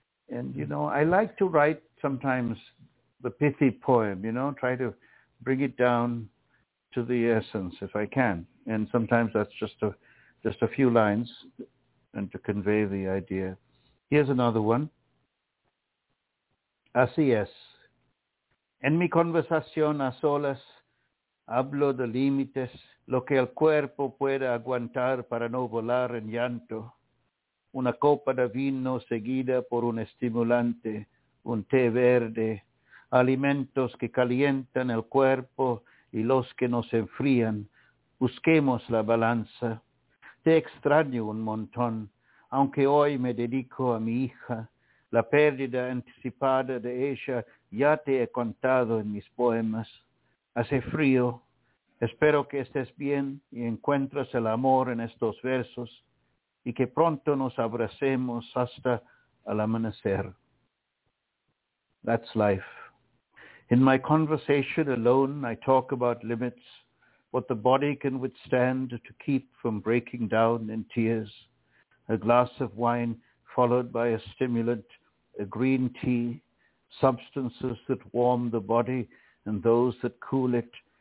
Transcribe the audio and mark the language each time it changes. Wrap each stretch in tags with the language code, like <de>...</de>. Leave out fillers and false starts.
<en>And, you know, I like to write sometimes the pithy poem, you know, try to bring it down to the essence if I can. And sometimes that's just a few lines and to convey the idea. Here's another one.</en> <es>Así es. En mi conversación a solas, hablo de límites, lo que el cuerpo pueda aguantar para no volar en llanto. Una copa de vino seguida por un estimulante, un té verde, alimentos que calientan el cuerpo y los que nos enfrían. Busquemos la balanza. Te extraño un montón, aunque hoy me dedico a mi hija. La pérdida anticipada de ella ya te he contado en mis poemas. Hace frío. Espero que estés bien y encuentres el amor en estos versos y que pronto nos abracemos hasta el amanecer.</es> <en>That's life. In my conversation alone, I talk about limits, what the body can withstand to keep from breaking down in tears. A glass of wine followed by a stimulant, a green tea, substances that warm the body and those that cool it.</en>